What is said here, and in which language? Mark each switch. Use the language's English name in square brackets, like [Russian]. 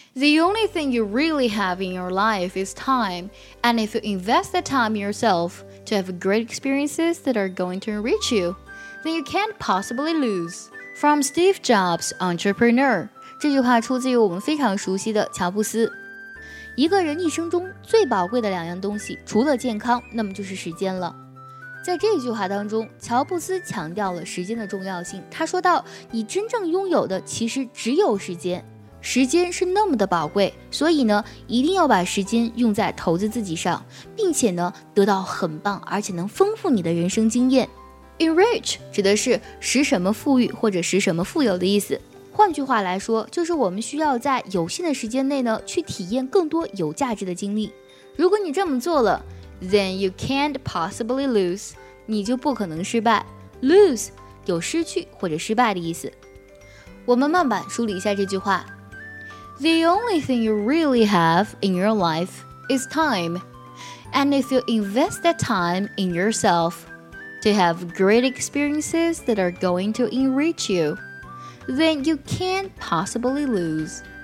[English] The only thing you really have in your life is time, and if you invest the time yourself to have great experiences that are going to enrich you, then you can't possibly lose. From Steve Jobs, Entrepreneur. [Chinese] 这句话出自于我们非常熟悉的乔布斯。一个人一生中最宝贵的两样东西，除了健康，那么就是时间了。在这句话当中，乔布斯强调了时间的重要性。他说到，你真正拥有的其实只有时间，时间是那么的宝贵，所以呢，一定要把时间用在投资自己上，并且呢，得到很棒而且能丰富你的人生经验。 Enrich 指的是使什么富裕或者使什么富有的意思，换句话来说，就是我们需要在有限的时间内呢，去体验更多有价值的经历。如果你这么做了， [English] Then you can't possibly lose. [Chinese] 你就不可能失败。Lose 有失去或者失败的意思。我们慢慢梳理一下这句话。 [English] The only thing you really have in your life is time. And if you invest that time in yourself to have great experiences that are going to enrich you, then you can't possibly lose.